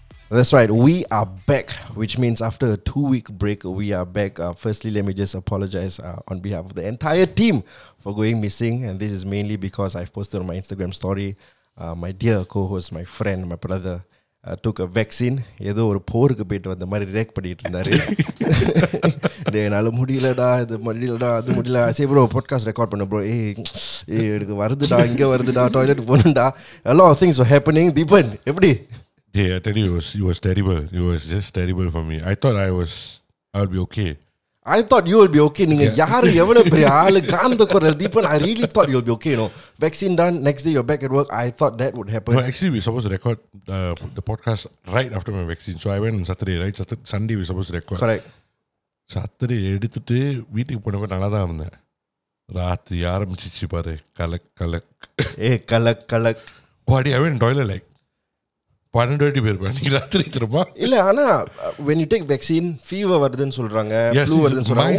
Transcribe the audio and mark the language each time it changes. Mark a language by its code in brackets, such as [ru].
[en] That's right, we are back, which means after a two-week break, we are back. Firstly, let me just apologize on behalf of the entire team for going missing. And this is mainly because I've posted on my Instagram story, my dear co-host, my friend, my brother, took a vaccine. [ta] ஏதோ ஒரு போருக்கு போயிட்டு வந்த மாதிரி react பண்ணிட்டு இருந்தாரு. என்னால முடியலடா, இது முடியலடா, அது முடியல. சரி ப்ரோ, பாட்காஸ்ட் ரெக்கார்ட் பண்ண ப்ரோ. எனக்கு வருதுடா, இங்கே வருதுடா, டாய்லெட் போகணுண்டா. எல்லா [en] Things are happening. [ta] தீபன், எப்படி? [en] Yeah, I tell you, it was terrible. It was just terrible for me. I thought I'll be okay. I thought you will be okay. [ta] நீங்க யாரு எவ்வளவு பெரிய ஆளு காந்த குரல் Deepan. [en] I really thought you'll be okay. You know, vaccine done, next day you're back at work. I thought that would happen. No, actually, we're supposed to record the podcast right after my vaccine. So I went on Saturday, right? Sunday we're supposed to record. Correct. [ta] Saturday எடுத்துட்டு வீட்டுக்கு போனப்ப நல்லா தான் இருந்தேன். ராத்திரி ஆரம்பிச்சிச்சு பாரு, கலக் கலக். ஏ கலக் கலக். [en] I went to toilet like 1220 [ta] பேர் பண்ணி ராத்திரி திரும்ப இல்ல. ஆனா [en] when you take vaccine [ta] fever வருதுன்னு சொல்றாங்க, flu வருதுன்னு சொல்றாங்க.